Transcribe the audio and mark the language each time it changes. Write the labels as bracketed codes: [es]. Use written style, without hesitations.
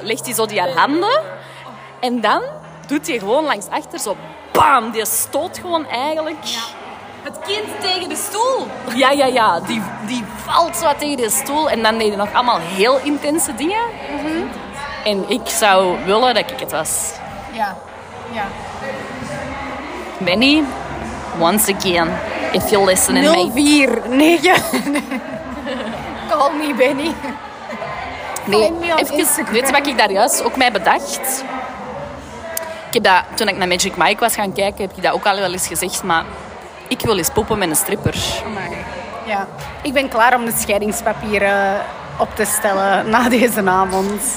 [nl] Legt hij zo die haar handen. En dan doet hij gewoon langs achter zo bam. Die stoot gewoon eigenlijk... Het kind tegen de stoel. Ja, ja, ja. Die valt zo tegen de stoel. En dan deed hij nog allemaal heel intense dingen. Mm-hmm. En ik zou willen dat ik het was. Ja. Ja. [en] Benny, once again, if you're listening to me. 049. Call me Benny. [nl] Nee, even, weet je wat ik daar juist ook mij bedacht? Ik heb dat, toen ik naar Magic Mike was gaan kijken, heb ik dat ook al wel eens gezegd, maar... Ik wil eens poepen met een stripper. Amai. Ja. Ik ben klaar om de scheidingspapieren op te stellen na deze avond.